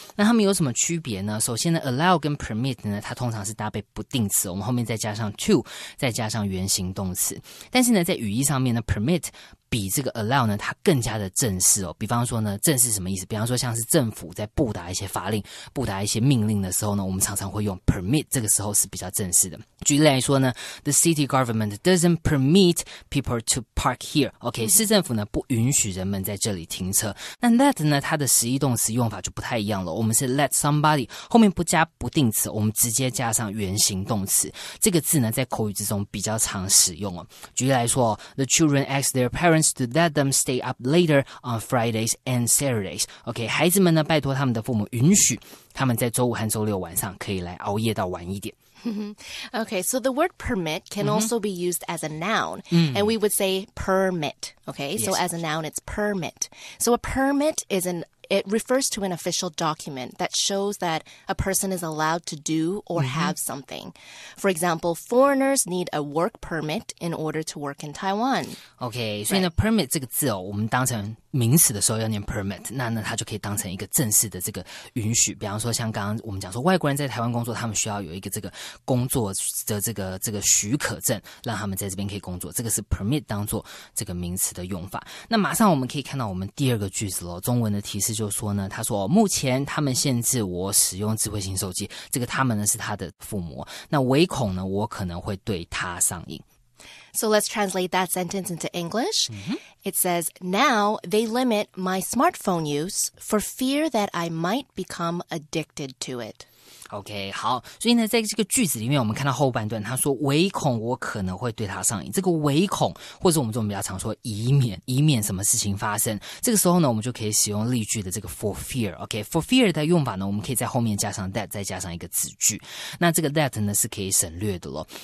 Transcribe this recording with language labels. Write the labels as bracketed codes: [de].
[zh] 那它们有什么区别呢？首先呢 ，allow 跟 permit 呢，它通常是搭配不定词，我们后面再加上 to， 再加上原。行动词，但是呢，在语义上面呢 ，permit 比这个 allow 呢，它更加的正式哦。比方说呢，正式什么意思？比方说像是政府在布达一些法令、布达一些命令的时候呢，我们常常会用 permit， 这个时候是比较正式的。举例来说呢 ， [en] the city government doesn't permit people to park here。 [zh] OK， 市政府呢不允许人们在这里停车。那 let 呢，它的实义动词用法就不太一样了。我们是 [en] let somebody [zh] 后面不加不定词，我们直接加上原形动词。这个字呢在口语之中比较常使用哦。举例来说 ， [en] the children ask their parents to let them stay up later on Fridays and Saturdays。 [zh] OK， 孩子们呢拜托他们的父母允许他们在周五和周六晚上可以来熬夜到晚一点。 [en] Okay, so the word permit can mm-hmm. also be used as a noun, mm. and we would say permit, okay? Yes. So as a noun, it's permit. So a permit is it refers to an official document that shows that a person is allowed to do or mm-hmm. have something. For example, foreigners need a work permit in order to work in Taiwan. Okay, so in a permit [zh] 这个字哦，我们当成名词的时候要念 permit， 那呢它就可以当成一个正式的这个允许。比方说像刚刚我们讲说外国人在台湾工作，他们需要有一个这个工作的这个许可证，让他们在这边可以工作，这个是 permit 当做这个名词的用法。那马上我们可以看到我们第二个句子咯，中文的提示就说呢，他说、哦、目前他们限制我使用智慧型手机，这个他们呢是他的父母，那唯恐呢我可能会对他上瘾。 [en] So let's translate that sentence into English. Mm-hmm. It says, now they limit my smartphone use for fear that I might become addicted to it. [zh] OK, 好，所以呢在这个句子里面我们看到后半段，他说唯恐我可能会对他上瘾，这个唯恐或者我们中文比较常说以免什么事情发生，这个时候呢我们就可以使用例句的这个 for fear。 OK, for fear 的用法呢，我们可以在后面加上 that， 再加上一个子句，那这个 that 呢是可以省略的咯。